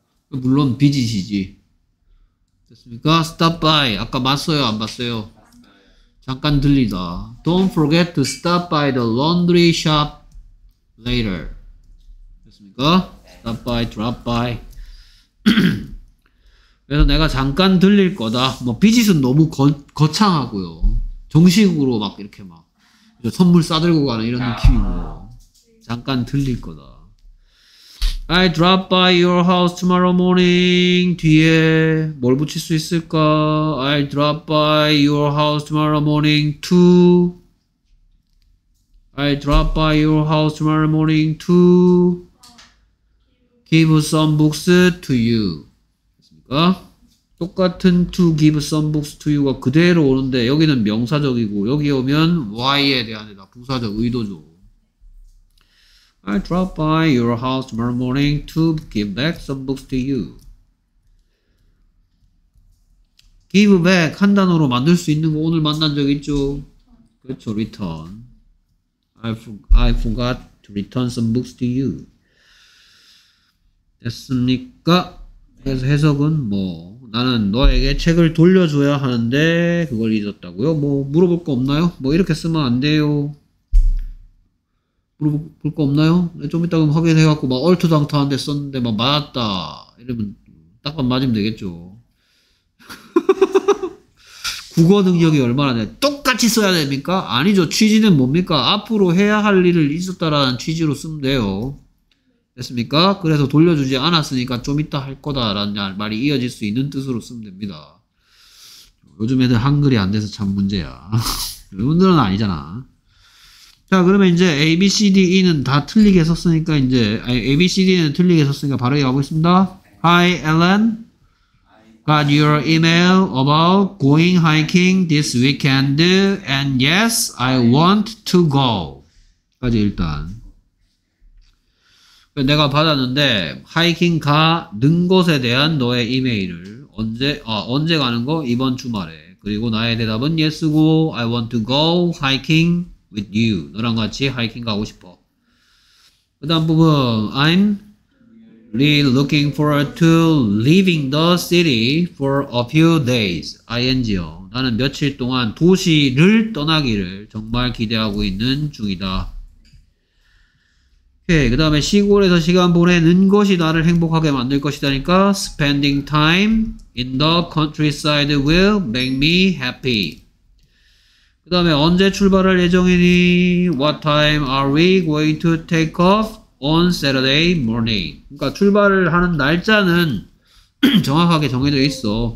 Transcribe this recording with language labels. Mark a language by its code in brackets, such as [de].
[ko] 물론 빚이시지. 됐습니까? stop by 아까 봤어요 안 봤어요? 잠깐 들리다. [en] Don't forget to stop by the laundry shop later. [ko] 됐습니까? stop by, drop by. 그래서 내가 잠깐 들릴 거다. 뭐, 비짓은 너무 거창하고요. 정식으로 막 이렇게 막 선물 싸들고 가는 이런 느낌이고. 잠깐 들릴 거다. [en] I drop by your house tomorrow morning. [ko] 뒤에 뭘 붙일 수 있을까? [en] I drop by your house tomorrow morning to. I drop by your house tomorrow morning to give some books to you. [ko] 됐습니까? 똑같은 [en] to give some books to you [ko] 가 그대로 오는데 여기는 명사적이고 여기 오면 why에 대한 데다 부사적 의도죠. [en] I drop by your house tomorrow morning to give back some books to you. [ko] Give back 한 단어로 만들 수 있는 거 오늘 만난 적 있죠? 그렇죠, return. [en] I forgot to return some books to you. [ko] 됐습니까? 그래서 해석은 뭐 나는 너에게 책을 돌려줘야 하는데 그걸 잊었다고요? 뭐 물어볼 거 없나요? 뭐 이렇게 쓰면 안 돼요. 물어볼 거 없나요? 좀 이따가 확인해갖고 막 얼토당토한데 썼는데 막 맞았다 이러면 딱만 맞으면 되겠죠. 국어 능력이 얼마나 돼? 똑같이 써야 됩니까? 아니죠. 취지는 뭡니까? 앞으로 해야 할 일을 잊었다라는 취지로 쓰면 돼요. 됐습니까? 그래서 돌려주지 않았으니까 좀 이따 할 거다라는 말이 이어질 수 있는 뜻으로 쓰면 됩니다. 요즘 애들 한글이 안 돼서 참 문제야. 이분들은 아니잖아. 자, 그러면 이제 A, B, C, D, E는 다 틀리게 썼으니까 이제 A, B, C, D는 틀리게 썼으니까 바로 가보겠습니다. [en] Hi, Ellen. Got your email about going hiking this weekend and yes, I want to go. [ko] 까지 일단 내가 받았는데 하이킹 가는 것에 대한 너의 이메일을 언제 가는 거? 이번 주말에. 그리고 나의 대답은 yes고 [en] I want to go hiking with you. [ko] 너랑 같이 하이킹 가고 싶어. 그 다음 부분 [en] I'm really looking forward to leaving the city for a few days. [ko] ing요. 나는 며칠 동안 도시를 떠나기를 정말 기대하고 있는 중이다. 오케이. 그 다음에 시골에서 시간 보내는 것이 나를 행복하게 만들 것이다니까 [en] spending time in the countryside will make me happy. [ko] 그 다음에 언제 출발할 예정이니? [en] What time are we going to take off? On Saturday morning. [ko] 그러니까 출발을 하는 날짜는 정확하게 정해져 있어.